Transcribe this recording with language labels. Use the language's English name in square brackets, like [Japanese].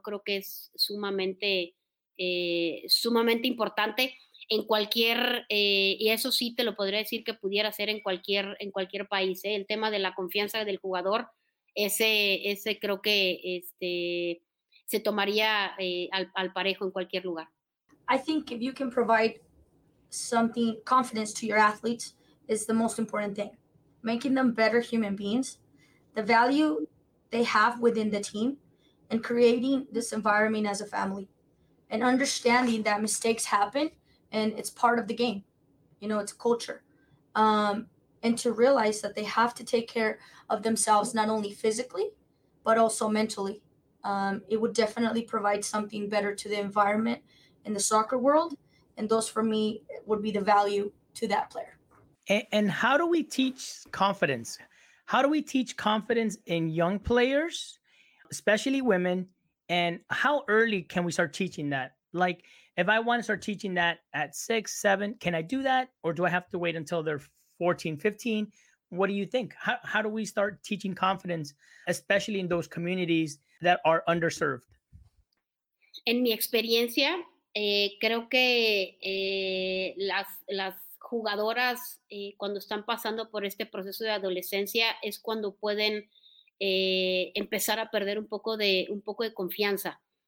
[Spanish] Creo que es sumamente sumamente importante en cualquier, y eso sí te lo podría decir que pudiera ser en cualquier país, el tema de la confianza del jugador, ese creo que se tomaría al parejo en cualquier lugar. [English] I think if you can provide something, confidence to your athletes is the most important thing. Making them better human beings, the value they have within the team, and creating this environment as a family, and understanding that mistakes happen and it's part of the game. You know, it's a culture. And to realize that they have to take care of themselves, not only physically, but also mentally. It would definitely provide something better to the environment in the soccer world. And those, for me, would be the value to that player. And how do we teach confidence? How do we teach confidence in young players, especially women? And how early can we start teaching that? Like, if I want to start teaching that at 6, 7, can I do that? Or do I have to wait until they're 14, 15? What do you think? How do we start teaching confidence, especially in those communities that are underserved? [Spanish] En mi experiencia, creo que las jugadoras, cuando están pasando por este proceso de adolescencia, es cuando pueden empezar a perder un poco de confianza.